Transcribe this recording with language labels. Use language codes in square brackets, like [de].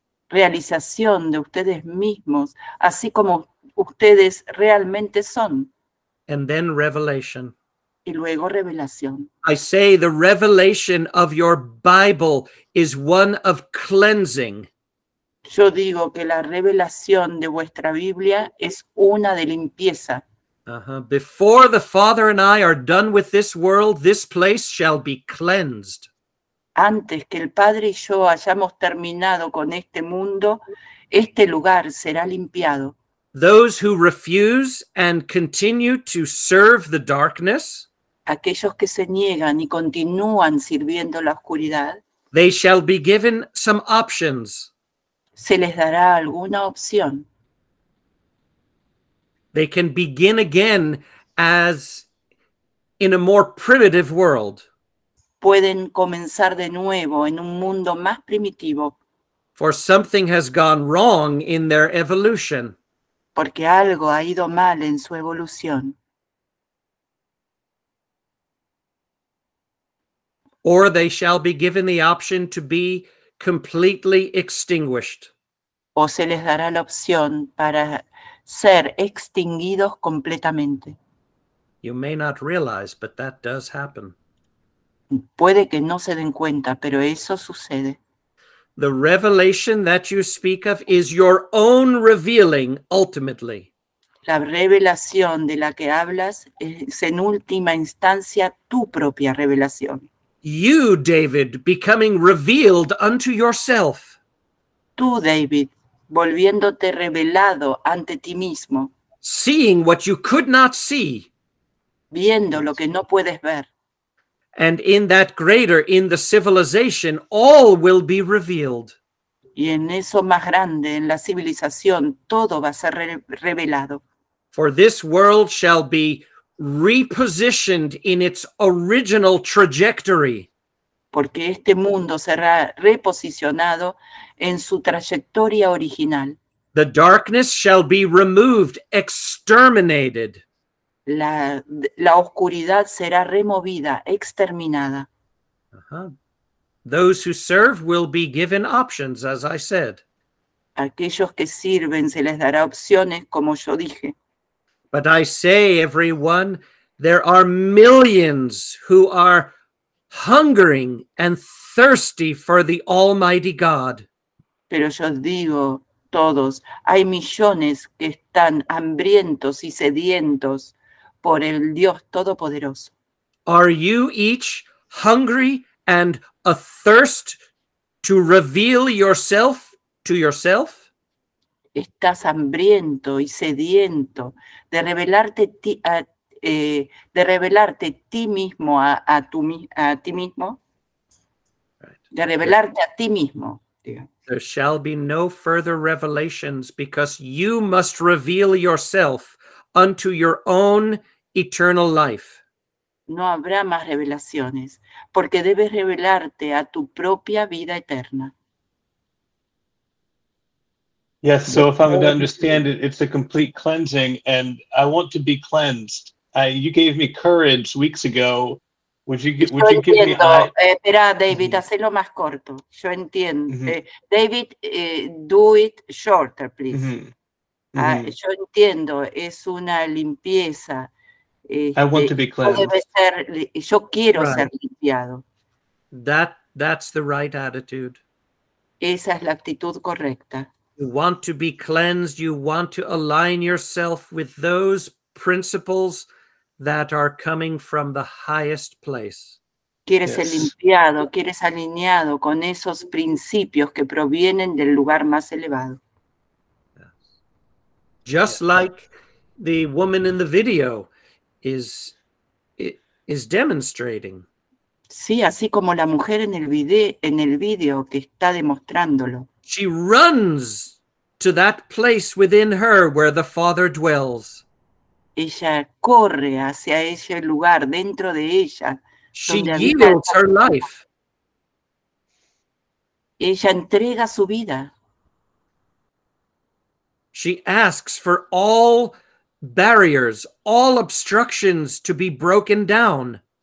[es] Realización de ustedes mismos, así como ustedes realmente son. [en] And then revelation. [es] Y luego revelación. [en] I say the revelation of your Bible is one of cleansing. [es] Yo digo que la revelación de vuestra Biblia es una de limpieza. [en] Before the Father and I are done with this world, this place shall be cleansed. [es] Antes que el Padre y yo hayamos terminado con este mundo, este lugar será limpiado. [en] Those who refuse and continue to serve the darkness, [es] aquellos que se niegan y continúan sirviendo la oscuridad, [en] they shall be given some options. [es] Se les dará alguna opción. [en] They can begin again as in a more primitive world. [es] Pueden comenzar de nuevo en un mundo más primitivo. [en] For something has gone wrong in their evolution. [es] Porque algo ha ido mal en su evolución. [en] Or they shall be given the option to be completely extinguished. [es] O se les dará la opción para ser extinguidos completamente. [en] You may not realize, but that does happen. [es] Puede que no se den cuenta, pero eso sucede. [en] The revelation that you speak of is your own revealing, ultimately. [es] La revelación de la que hablas es en última instancia tu propia revelación. [en] You, David, becoming revealed unto yourself. [es] Tú, David, volviéndote revelado ante ti mismo. [en] Seeing what you could not see. [es] Viendo lo que no puedes ver. [en] And in that greater, in the civilization, all will be revealed. [es] Y en eso más grande, en la civilización, todo va a ser revelado. [en] For this world shall be repositioned in its original trajectory. [es] Porque este mundo será reposicionado en su trayectoria original. [en] The darkness shall be removed, exterminated. [es] La oscuridad será removida, exterminada. [en] Those who serve will be given options, as I said. [es] Aquellos que sirven se les dará opciones, como yo dije. [en] But I say, everyone, there are millions who are hungering and thirsty for the Almighty God. [es] Pero yo digo, todos. Hay millones que están hambrientos y sedientos por el Dios Todopoderoso. [en] Are you each hungry and athirst to reveal yourself to yourself? [es] ¿Estás hambriento y sediento de revelarte a ti mismo? De revelarte a ti mismo. [en] There shall be no further revelations because you must reveal yourself unto your own eternal life. [es] No habrá más revelaciones porque debes revelarte a tu propia vida eterna. [en] Yes, so if I'm going to understand it, it's a complete cleansing, and I want to be cleansed. You gave me courage weeks ago. Would you give me? [es] Espera, David, hazlo más corto. Yo entiendo. Mm-hmm. [en] David, do it shorter, please. Mm-hmm. [es] Yo entiendo. Es una limpieza. [en] I want to be cleansed. [es] Yo quiero ser limpiado. [en] That's the right attitude. [es] Esa es la actitud correcta. [en] You want to be cleansed, you want to align yourself with those principles that are coming from the highest place. [es] Quieres ser limpiado, quieres alineado con esos principios que provienen del lugar más elevado. [en] Just like the woman in the video is demonstrating. [es] Sí, así como la mujer en el video que está demostrándolo. [en] She runs to that place within her where the Father dwells. [es] Ella corre hacia ese lugar dentro de ella. [en] She yields her life. [es] Ella entrega su vida. [en] She asks for all barriers, all obstructions to be broken down.